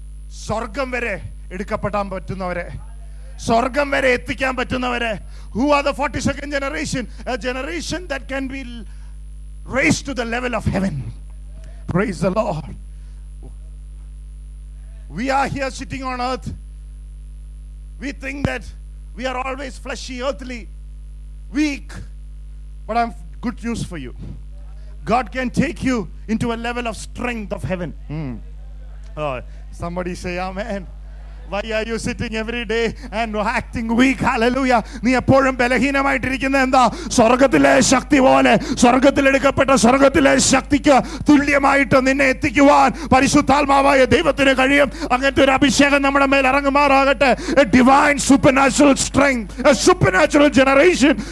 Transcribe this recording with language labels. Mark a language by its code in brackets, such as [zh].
[ml] സ്വർഗം വരെ എടുക്കപ്പെടാൻ പറ്റുന്നവരെ, സ്വർഗം വരെ എത്തിക്കാൻ പറ്റുന്നവരെ. [en] Who are the 42nd generation? A generation that can be raised to the level of heaven. Praise the Lord. We are here sitting on earth. We think that we are always fleshy, earthly, weak. But I have good news for you. God can take you into a level of strength of heaven. Somebody say amen. Why are you sitting every day and acting weak? Hallelujah. [ml] നീ എപ്പോഴും ബലഹീനമായിട്ടിരിക്കുന്നത് എന്താ? സ്വർഗത്തിലെ ശക്തി പോലെ, സ്വർഗത്തിലെടുക്കപ്പെട്ട സ്വർഗത്തിലെ ശക്തിക്ക് തുല്യമായിട്ട് നിന്നെ എത്തിക്കുവാൻ പരിശുദ്ധാത്മാവായ ദൈവത്തിന് കഴിയും. അങ്ങനത്തെ ഒരു അഭിഷേകം നമ്മുടെ മേൽ ഇറങ്ങുമാറാകട്ടെ. [en] Divine supernatural strength, a supernatural generation.